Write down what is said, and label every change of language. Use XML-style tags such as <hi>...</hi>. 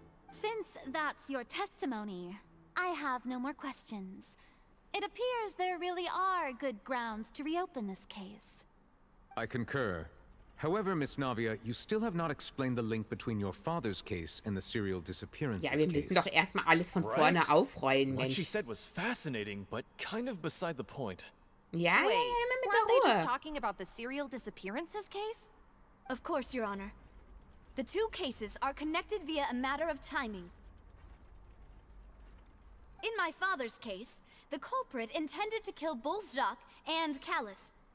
<en>Since that's your testimony, I have no more questions. It appears there really are good grounds to reopen this case. I concur. However, Miss Navia, you still have not explained the link between your father's case and the serial disappearance case.</en> <de>Ja, wir müssen doch erstmal alles von vorne aufrollen, Mensch.</de> <en>What she said was fascinating, but kind of beside the point.</en> <de>Ja,</de> <en>weren't they just talking about the serial disappearances case? Of course, Your Honor. The two cases are connected via a matter of timing. In my father's case, the culprit intended to kill both Jacques and Callis.</en>